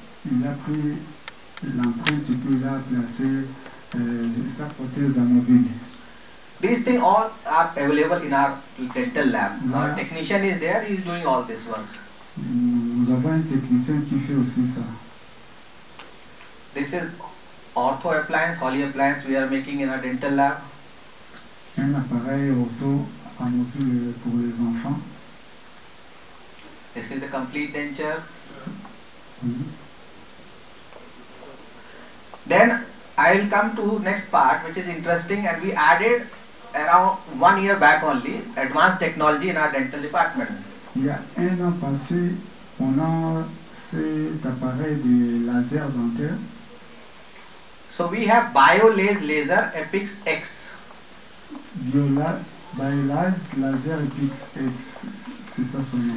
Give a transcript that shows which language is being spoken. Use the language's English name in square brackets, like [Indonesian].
[French] Il a pris l'empreinte et puis il a placé sa prothèse à mobile. [English] These things all are available in our dental lab. [French] Là, [English] our technician is there, he is doing all these works. [French] Nous avons un technicien qui fait aussi ça. [English] This is ortho appliance, holy appliance we are making in our dental lab. [French] Un appareil ortho à mobile pour les enfants. [English] This is the complete denture. Then I will come to next part, which is interesting, and we added around 1 year back only advanced technology in our dental department. [French] Il y a un an passé, on a cet appareil de laser dentaire. [English] So we have BioLase laser Epix X. [French] BioLase laser Epix X, c'est ça son nom.